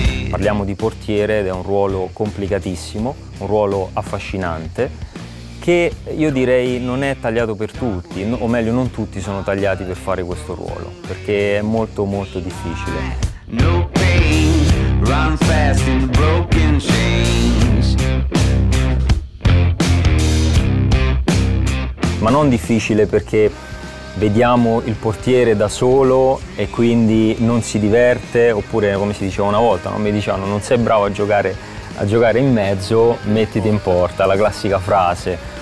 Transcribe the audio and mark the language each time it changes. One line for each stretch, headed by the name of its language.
Italian: Parliamo di portiere ed è un ruolo complicatissimo, un ruolo affascinante che io direi non è tagliato per tutti, o meglio non tutti sono tagliati per fare questo ruolo, perché è molto molto difficile.
English: No pain, run fast in broken chains.
Italian: Ma non difficile perché vediamo il portiere da solo e quindi non si diverte, oppure come si diceva una volta, non mi dicevano non sei bravo a giocare in mezzo, mettiti in porta, la classica frase.